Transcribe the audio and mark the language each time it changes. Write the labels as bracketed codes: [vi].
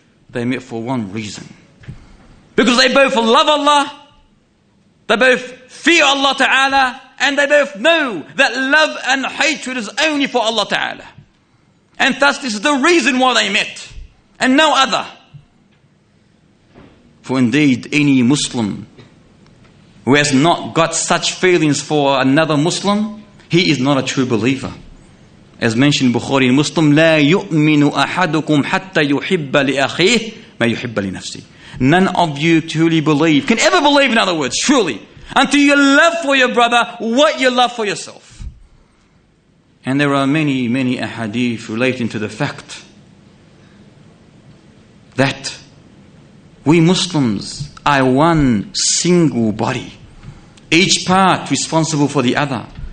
[en] They met for one reason. Because they both love Allah, they both fear Allah Ta'ala, and they both know that love and hatred is only for Allah Ta'ala. And thus this is the reason why they met, and no other. For indeed, any Muslim who has not got such feelings for another Muslim, he is not a true believer. As mentioned in Bukhari and Muslim, [ar] لا يؤمن أحدكم حتى يحب لأخيه ما يحب لنفسه. [en] None of you truly believe, can ever believe in other words, truly, until you love for your brother what you love for yourself. And there are many, many ahadith relating to the fact that we Muslims are one single body, each part responsible for the other.